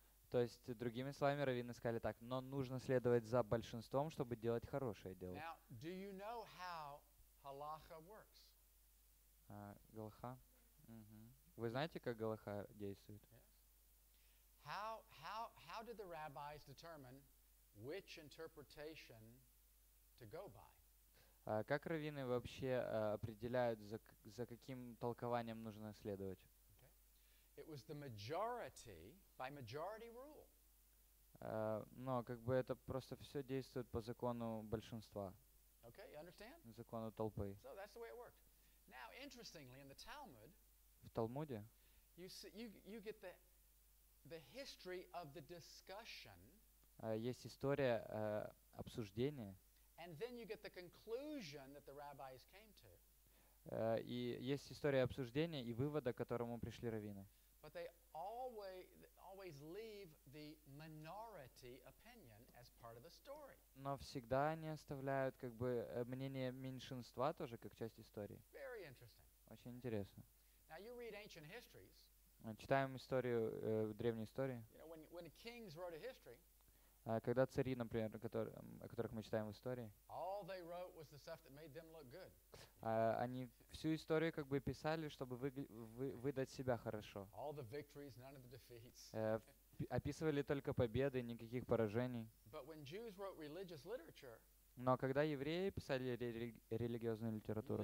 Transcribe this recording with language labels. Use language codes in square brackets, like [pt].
[ru] То есть, другими словами, раввины сказали так, но нужно следовать за большинством, чтобы делать хорошее дело. [en] Now, do you know how halacha works? [ru] Галаха? Вы знаете, как галаха действует? [en] How did the rabbis determine which interpretation to go by? [ru] Как раввины вообще определяют, за каким толкованием нужно следовать? [en] Okay. It was the majority, by majority rule. [ru] Но как бы это просто все действует по закону большинства. [en] Okay, you understand? [ru] Закону толпы. [en] So that's the way it worked. Now, interestingly, in the Talmud, [ru] в Талмуде, [en] you get the history of the discussion. [ru] Есть история обсуждения. [en] And then you get the conclusion that the rabbis came to. [ru] И есть история обсуждения и вывода, к которому пришли раввины. [en] But they always leave the minority opinion as part of the story. [ru] Но всегда они оставляют как бы мнение меньшинства тоже как часть истории. [en] Very interesting. [ru] Очень интересно. [en] Now you read ancient histories. [ru] Читаем историю, древнюю историю. [en] You know, when kings wrote a history, [ru] когда цари, например, о которых мы читаем в истории, [en] all they wrote was the stuff that made them look good. [ru] Они всю историю как бы писали, чтобы выдать себя хорошо. [en] All the victories, none of the defeats. [ru] Описывали только победы, никаких поражений. [en] But when Jews wrote religious literature, [ru] но когда евреи писали религиозную литературу,